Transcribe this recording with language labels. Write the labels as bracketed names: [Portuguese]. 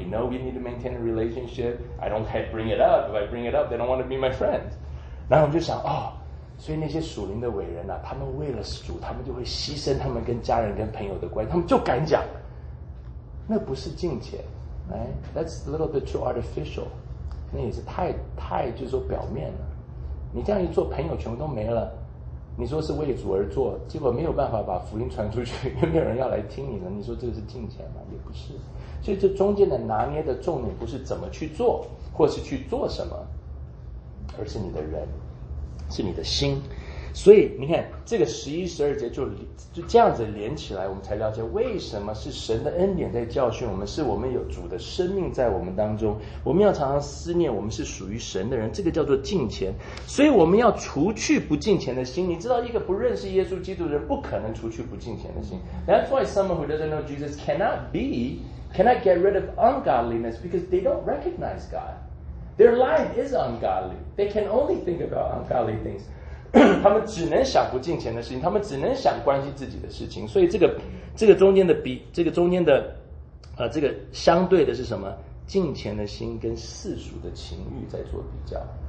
[English] We know we need to maintain a relationship. I don't have to bring it up. If I bring it up, they don't want to be my friend. [Chinese] 然后我们就想，哦，所以那些属灵的伟人啊，他们为了主，他们就会牺牲他们跟家人、跟朋友的关系，他们就敢讲。那不是敬虔 [English] ，right? That's a little bit too artificial. [Chinese] 那也是太就是说表面了。你这样一做，朋友全部都没了。你说是为主而做，结果没有办法把福音传出去，又没有人要来听你了。你说这个是敬虔吗？也不是。所以这中间的拿捏的重点不是怎么去做，或是去做什么，而是你的人，是你的心。所以你看，这个十一、十二节就这样子连起来，我们才了解为什么是神的恩典在教训我们，是我们有主的生命在我们当中。我们要常常思念，我们是属于神的人，这个叫做敬虔。所以我们要除去不敬虔的心。你知道，一个不认识耶稣基督的人，不可能除去不敬虔的心。 [English] That's why someone who doesn't know Jesus cannot get rid of ungodliness because they don't recognize God. Their life is ungodly. They can only think about ungodly things. [Chinese] 他们只能想不敬虔的事情，他们只能想关心自己的事情。所以这个中间的比，这个中间的这个相对的是什么？敬虔的心跟世俗的情欲在做比较。